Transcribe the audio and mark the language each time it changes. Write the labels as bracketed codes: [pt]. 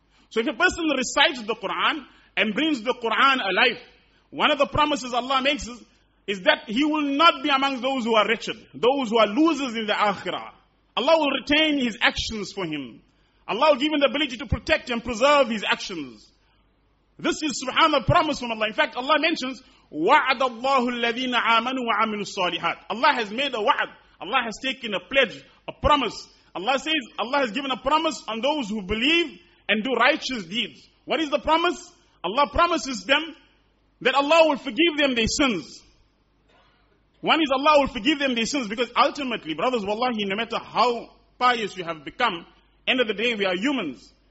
[en] So if a person recites the Quran and brings the Quran alive, one of the promises Allah makes is that he will not be among those who are wretched, those who are losers in the Akhirah. Allah will retain his actions for him. Allah will give him the ability to protect and preserve his actions. This is subhanAllah, promise from Allah. In fact, Allah mentions, [ar] وَعَدَ اللَّهُ الَّذِينَ آمَنُوا وَعَمِلُوا الصَّالِحَاتِ. [en] Allah has made a wa'ad. Allah has taken a pledge, a promise. Allah says, Allah has given a promise on those who believe and do righteous deeds. What is the promise? Allah promises them that Allah will forgive them their sins. One is Allah will forgive them their sins, because ultimately, brothers, wallahi, no matter how pious we have become, end of the day, we are humans.